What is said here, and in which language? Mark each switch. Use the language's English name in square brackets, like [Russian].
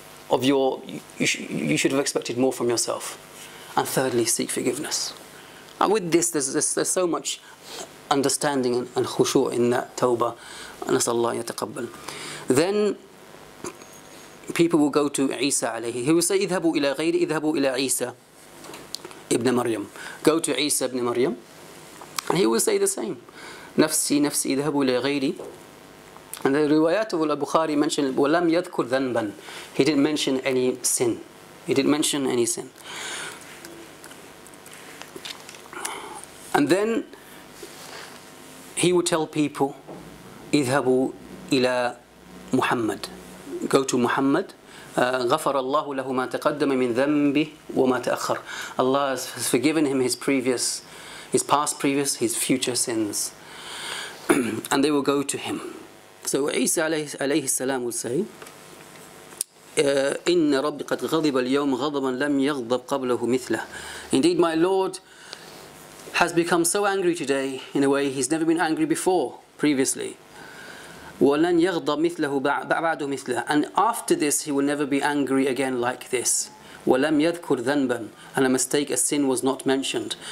[English] of your, you should have expected more from yourself. And thirdly, seek forgiveness. And with this, there's so much understanding and khushu' in that tawbah. [Arabic] نَسَأَلُ اللَّهَ يَتَقَبَّلْ. [English] Then people will go to Isa alayhi. He will say, [Arabic] اذهبوا إلى غيري, اذهبوا إلى عيسى ابن مريم. [English] Go to Isa ibn Maryam. And he will say the same. [Arabic] نفسي نفسي اذهبوا إلى غيري. [English] And the riwayat of al-Bukhari mentioned, [Arabic] وَلَمْ يَذْكُرْ ذَنْبًا. [English] He didn't mention any sin. He didn't mention any sin. And then he would tell people, [Arabic] اِذْهَبُوا إِلَى [English] Muhammad. Go to Muhammad. [Arabic] غَفَرَ اللَّهُ لَهُ مَا تَقَدَّمَ مِنْ ذَنْبِهِ وَمَا تَأَخَّرَ. [English] Allah has forgiven him his past, his future sins. And they will go to him. So Isa alayhi salam will say, [Arabic] إِنَّ رَبِّ قَدْ غَضِبَ الْيَوْمَ غَضَبًا لَمْ يَغْضَبْ قَبْلَهُ مِثْلَهُ. [English] Indeed, my Lord has become so angry today in a way he's never been angry before, previously. [Arabic] وَلَنْ يَغْضَ مِثْلَهُ بَعْبَعْدُ مِثْلَهُ. [English] And after this, he will never be angry again like this. [Arabic] وَلَمْ يَذْكُرْ ذَنْبًا. [English] And a mistake, a sin was not mentioned.